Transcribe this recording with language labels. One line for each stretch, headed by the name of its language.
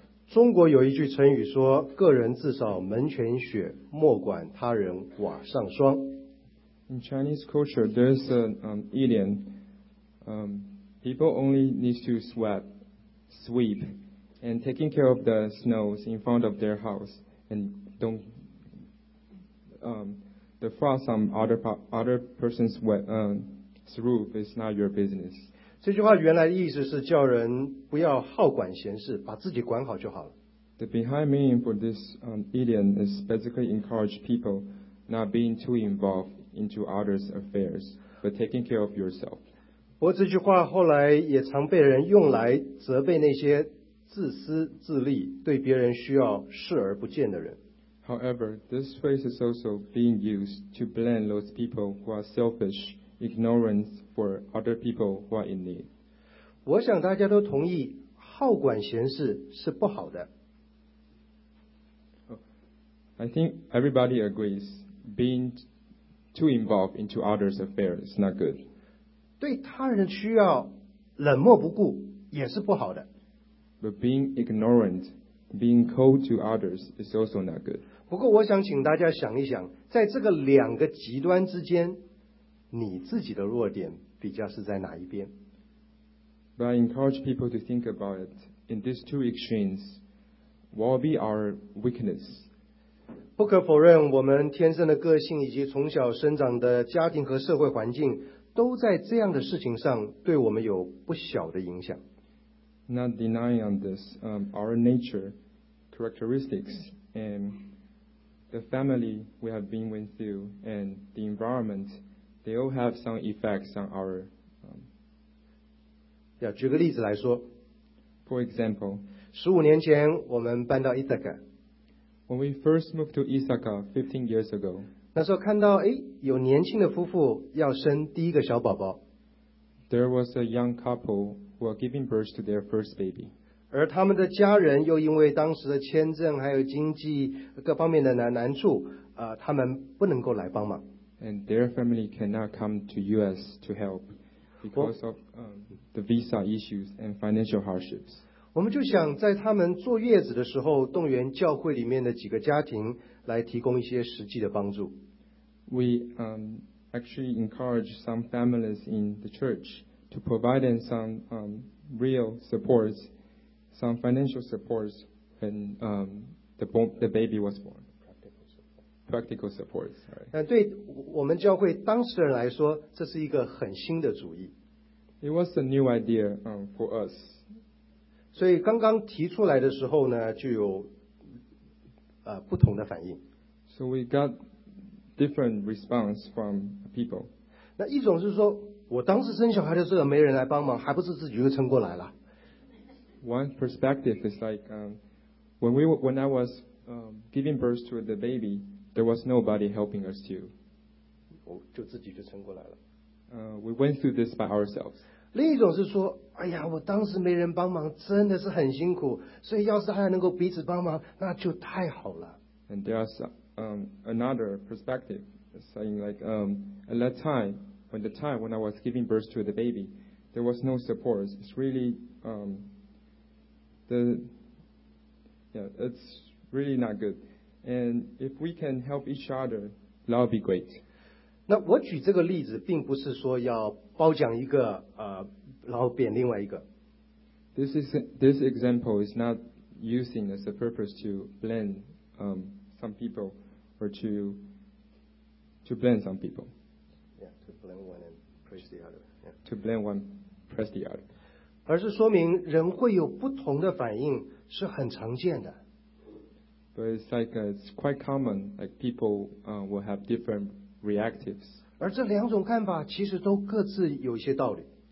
Chinese: 中国有一句成语说，个人自扫门前雪，莫管他人瓦上霜。
English: In Chinese culture, there's an idiom. People only need to sweep and taking care of the snows in front of their house and don't the frost on other person's roof is not your business.
Chinese: 这句话原来的意思是叫人不要好管闲事，把自己管好就好了。
English: The behind meaning for this idiom is basically encourage people not being too involved into others' affairs, but taking care of yourself.
Chinese: 不过这句话后来也常被人用来责备那些自私自利、对别人需要视而不见的人。
English: However, this phrase is also being used to blame those people who are selfish, ignorant for other people who are in need.
Chinese: 我想大家都同意，好管闲事是不好的。
English: I think everybody agrees being too involved into others' affairs is not good.
Chinese: 对他人需要冷漠不顾也是不好的。
English: But being ignorant, being cold to others is also not good.
Chinese: 不过我想请大家想一想，在这个两个极端之间，你自己的弱点比较是在哪一边？
English: But I encourage people to think about it. In these two extremes, what will be our weakness?
Chinese: 不可否认，我们天生的个性以及从小生长的家庭和社会环境，都在这样的事情上对我们有不小的影响。
English: Not denying on this, our nature, characteristics, and the family we have been went through, and the environment, they all have some effects on our.
Chinese: 举个例子来说。
English: For example,
Chinese: 15年前我们搬到 Ithaca.
English: When we first moved to Ithaca 15 years ago,
Chinese: 那时候看到有年轻的夫妇要生第一个小宝宝。
English: There was a young couple who are giving birth to their first baby.
Chinese: 而他们的家人又因为当时的签证还有经济各方面的难处，他们不能够来帮忙。
English: And their family cannot come to U.S. to help because of the visa issues and financial hardships.
Chinese: 我们就想在他们坐月子的时候，动员教会里面的几个家庭来提供一些实际的帮助。
English: We actually encourage some families in the church to provide them some real supports, some financial supports when the baby was born. Practical supports.
Chinese: 对我们教会当事人来说，这是一个很新的主意。
English: It was a new idea for us.
Chinese: 所以刚刚提出来的时候呢，就有不同的反应。
English: So we got different response from people.
Chinese: 那一种是说，我当时生小孩的时候没人来帮忙，还不是自己就撑过来了。
English: One perspective is like when I was giving birth to the baby, there was nobody helping us too.
Chinese: 就自己就撑过来了。
English: We went through this by ourselves.
Chinese: 另一种是说，哎呀，我当时没人帮忙，真的是很辛苦，所以要是还能够彼此帮忙，那就太好了。
English: And there's another perspective saying like at that time. When the time when I was giving birth to the baby, there was no support. It's really it's really not good. And if we can help each other, that would be great.
Chinese: 那我举这个例子，并不是说要褒奖一个然后贬另外一个。
English: This example is not using as a purpose to blame some people or to blame some people. To blame one and praise the other. To blame one, praise the other.
Chinese: 而是说明人会有不同的反应是很常见的。
English: But it's like it's quite common, like people will have different reactives.
Chinese: 而这两种看法其实都各自有一些道理。